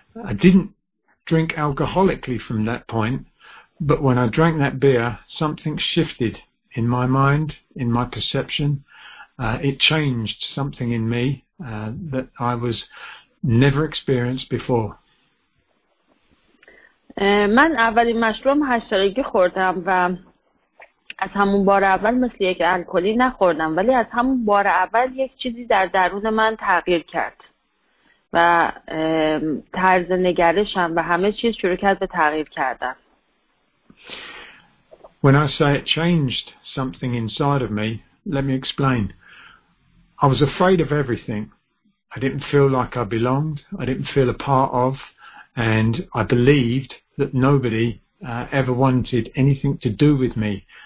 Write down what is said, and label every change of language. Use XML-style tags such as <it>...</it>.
<en>I didn't drink alcoholically from that point, but when I drank that beer, something shifted in my mind, in my perception. It changed something in me that I was never experienced before.</en> <fa>من اولین مشروبم 8 سالگی خوردم و از همون بار اول مثل یک الکلی نخوردم ولی از همون بار اول یک چیزی در درون من تغییر کرد و طرز نگرشم و همه چیز شروع کرد به تغییر کردن.</fa> <en>When I say it changed something inside of me, let me explain. I was afraid of everything. I didn't feel like I belonged. I didn't feel a part of. And I believed that nobody ever wanted anything to do with me.</en>